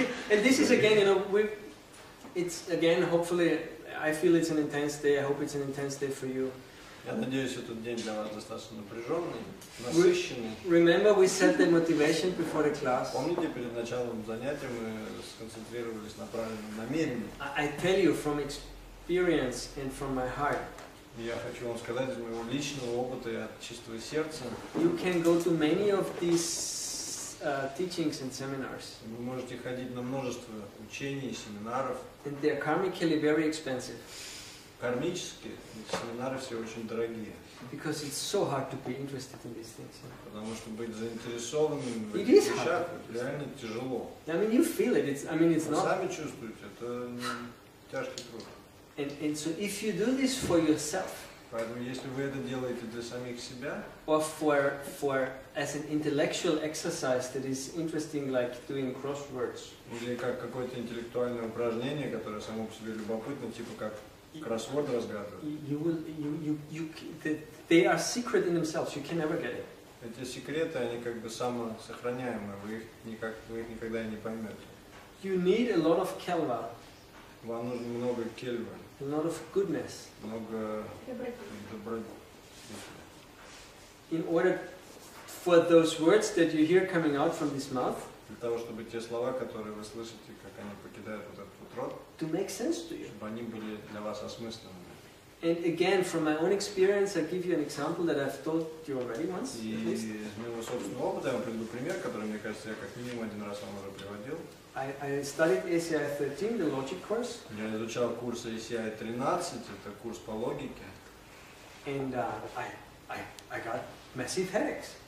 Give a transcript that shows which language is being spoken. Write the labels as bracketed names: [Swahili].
[English] And this is again, you know, it's again, hopefully, I feel it's an intense day, I hope it's an intense day for you. [Russian] Я надеюсь, этот день для вас достаточно напряженный, насыщенный. [English] Remember, we set the motivation before the class. [Russian] Помните, перед началом занятия мы сконцентрировались на правильном намерении. [English] I tell you from experience and from my heart. [Russian] Я хочу вам сказать из моего личного опыта и от чистого сердца. [English] You can go to many of these teachings and seminars. [Russian] Вы можете ходить на множество учений и семинаров. [English] And they are karmically very expensive. [Russian] Кармически семинары все очень дорогие. [English] Because it's so hard to be interested in these things. Yeah? [Russian] Потому что быть заинтересованным в этих вещах реально тяжело. [English] I мean, you feel it. It's, I mean, it's not. [Russian] Вы сами чувствуете, это тяжкий труд. [English] And so if you do this for yourself, [Russian] Поэтому если вы это делаете для самих себя, [English] or for as an intellectual exercise that is interesting, like doing crosswords, [Russian] или как какое-то интеллектуальное упражнение, которое само по себе любопытно, типа как кроссворд разгадывать. [English] You they are secret in themselves. You can never get it. [Russian] Эти секреты, они как бы самосохраняемые, вы их никогда и не поймете. [English] You need a lot of kelva. [Russian] Вам нужно много кельвы. [English] A lot of goodness. [Russian] Много добродетели. [English] In order for those words that you hear coming out from this mouth. [Russian] Для того, чтобы те слова, которые вы слышите, как они покидают вот этот рот. [English] To make sense to you. [Russian] Чтобы они были для вас осмысленными. [English] And again, from my own experience, I give you an example that I've told you already once. [Russian] И из моего собственного опыта я вам приведу пример, который, мне кажется, я как минимум один раз вам уже приводил. [English] I studied ACI 13, the logic course. [Russian] Я изучал курс ACI 13, это курс по логике. [English] And I got massive headaches.